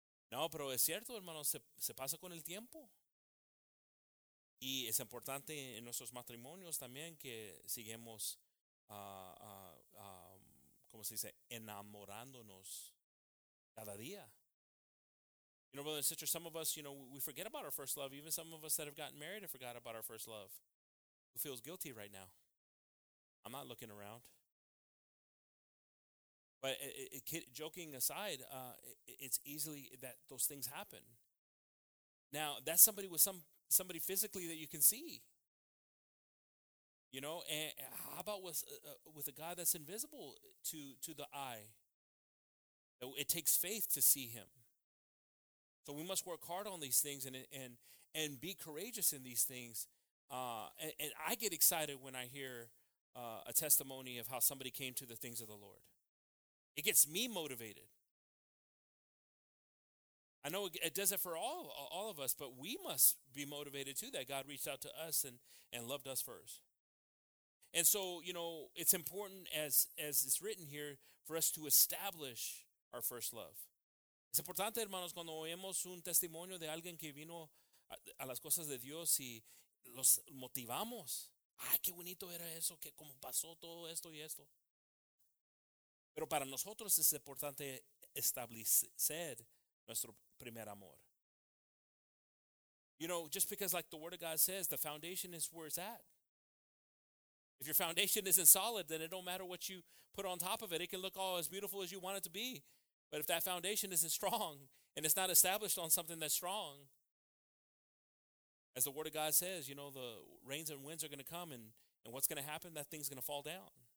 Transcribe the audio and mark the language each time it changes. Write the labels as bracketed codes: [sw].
[es] No, pero es cierto, hermano, se pasa con el tiempo. Y es importante en nuestros matrimonios también que sigamos, ¿cómo se dice?, enamorándonos cada día. [en] You know, brother and sister, some of us, you know, we forget about our first love. Even some of us that have gotten married have forgot about our first love. Who feels guilty right now? I'm not looking around. But joking aside, it's easily that those things happen. Now, that's somebody with somebody physically that you can see. You know, and how about with a God that's invisible to the eye? It takes faith to see him. So we must work hard on these things and be courageous in these things. And I get excited when I hear a testimony of how somebody came to the things of the Lord. It gets me motivated. I know it does it for all of us, but we must be motivated too that God reached out to us and loved us first. And so, you know, it's important as it's written here for us to establish our first love. [es] Es importante, hermanos, cuando oímos un testimonio de alguien que vino a las cosas de Dios y los motivamos. Ay, qué bonito era eso, que cómo pasó todo esto y esto. Pero para nosotros es importante establecer nuestro primer amor. [en] You know, just because like the Word of God says, the foundation is where it's at. If your foundation isn't solid, then it don't matter what you put on top of it. It can look all as beautiful as you want it to be. But if that foundation isn't strong and it's not established on something that's strong, as the Word of God says, you know, the rains and winds are going to come and what's going to happen? That thing's going to fall down.